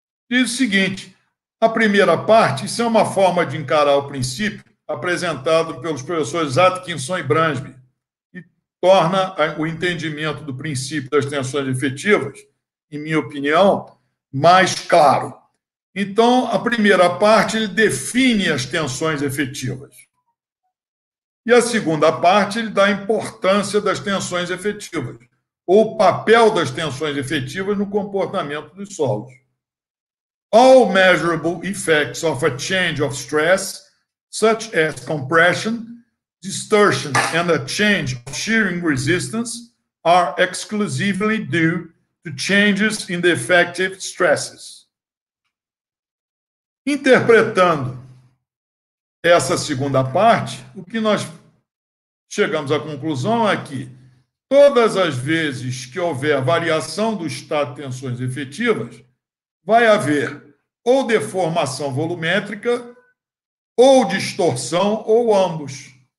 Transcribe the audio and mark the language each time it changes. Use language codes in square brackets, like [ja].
[pt] Diz o seguinte, a primeira parte, isso é uma forma de encarar o princípio apresentado pelos professores Atkinson e Bransby, e torna o entendimento do princípio das tensões efetivas, em minha opinião, mais claro. Então, a primeira parte, ele define as tensões efetivas. E a segunda parte, ele dá a importância das tensões efetivas, ou o papel das tensões efetivas no comportamento dos solos. [en] All measurable effects of a change of stress, such as compression, distortion, and a change of shearing resistance, are exclusively due to changes in the effective stresses. [pt] Interpretando essa segunda parte, o que nós chegamos à conclusão é que todas as vezes que houver variação do estado de tensões efetivas, vai haver ou deformação volumétrica, ou distorção, ou ambos.